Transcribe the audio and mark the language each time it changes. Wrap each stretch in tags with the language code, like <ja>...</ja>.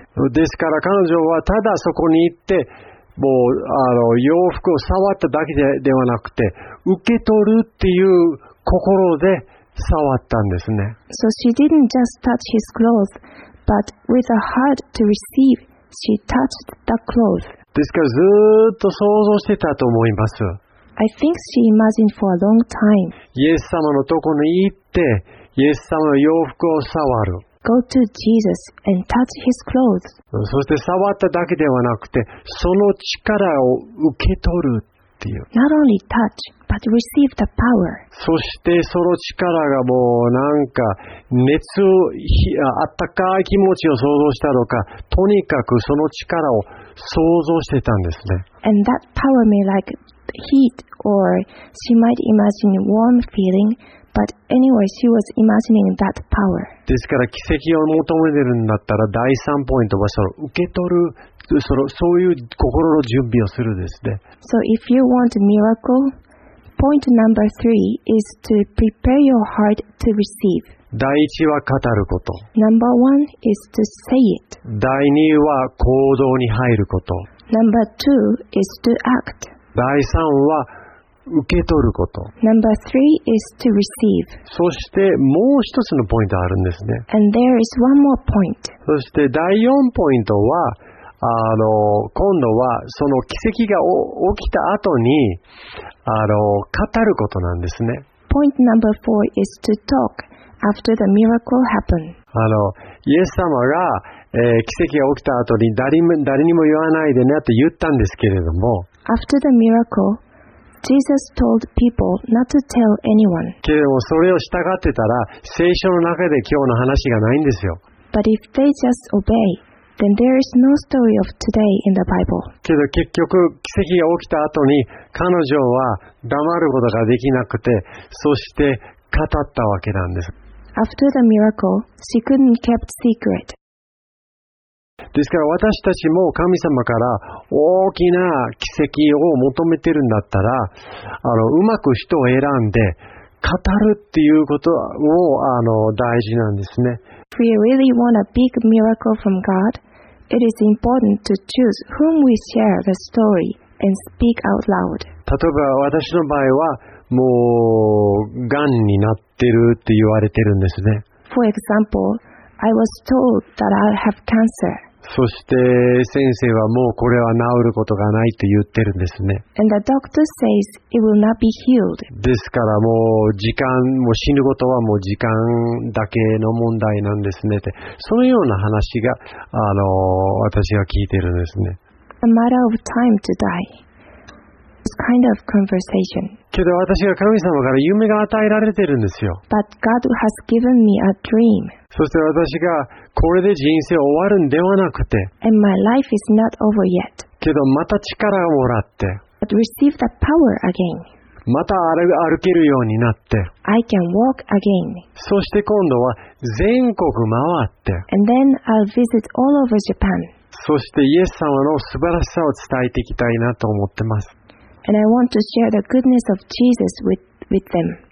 <ja>ですから彼女はただそこに行ってもうあの洋服を触っただけではなくて受け取るっていう心で触ったんですね。</ja> <en>So she didn't just touch his clothes, but with a heart to receive, she touched the clothes.</en> <ja>ですからずっと想像してたと思います。</ja> <en>I think she imagined for a long time.</en> <ja>イエス様のところに行って、イエス様の洋服を触る。</ja> <en>Go to Jesus and touch his clothes.</en> <ja>そして触っただけではなくて、その力を受け取るっていう。</ja> <en>Not only touch, but receive the power.</en> <ja>そしてその力がもうなんか熱、温かい気持ちを想像したのか、とにかくその力を想像してたんですね。</ja> <en>And that power may like heat, or she might imagine warm feeling, but anyway, she was imagining that power.</en> <ja>ですから奇跡を求めてるんだったら、第三ポイントはその受け取る、そういう心の準備をするですね。</ja> <en>So if you want a miracle, point number three is to prepare your heart to receive.</en> <ja>第一は語ること。</ja> <en>Number one is to say it.</en> <ja>第二は行動に入ること。</ja> <en>Number two is to act.</en> <ja>第三は受け取ること。</ja> <en>Number three is to receive.</en> <ja>そしてもう一つのポイントあるんですね。</ja> <en>And there is one more point.</en> <ja>そして第四ポイントは、今度はその奇跡が起きた後に、語ることなんですね。</ja> <en>Point number four is to talk after the miracle happened.</en> <ja>イエス様が、奇跡が起きた後に誰にも言わないでねって言ったんですけれども。</ja> <en>After the miracle, Jesus told people not to tell anyone.</en> <ja>けれどもそれを従ってたら聖書の中で今日の話がないんですよ。</ja> <en>But if they just obey, then there is no story of today in the Bible.</en> <ja>けど結局奇跡が起きた後に彼女は黙ることができなくて、そして語ったわけなんです。</ja> <en>After the miracle, she couldn't keep secret.</en> <ja>ですから私たちも神様から大きな奇跡を求めているんだったら、うまく人を選んで語るっていうことを大事なんですね。</ja> <en>If we really want a big miracle from God, it is important to choose whom we share the story and speak out loud.</en> <ja>例えば私の場合はもう癌になってるって言われてるんですね。</ja> <en>For example, I was told that I have cancer.</en> <ja>そして先生はもうこれは治ることがないと言ってるんですね。</ja> <en>And the doctor says it will not be healed.</en> <ja>ですからもう時間、もう死ぬことはもう時間だけの問題なんですねって、そのような話が私は聞いてるんですね。</ja> <en>A matter of time to die. This kind of conversation.</en> <ja>けど私が神様から夢が与えられてるんですよ。</ja> <en>But God has given me a dream.</en> <ja>そして私がこれで人生終わるんではなくて、</ja> <en>And my life is not over yet.</en> <ja>けどまた力をもらって、</ja> <en>But receive the power again.</en> <ja>また歩けるようになって、</ja> <en>I can walk again.</en> <ja>そして今度は全国回って、</ja> <en>And then I'll visit all over Japan.</en> <ja>そしてイエス様の素晴らしさを伝えていきたいなと思ってます。</ja> <en>And I want to share the goodness of Jesus with them.</en>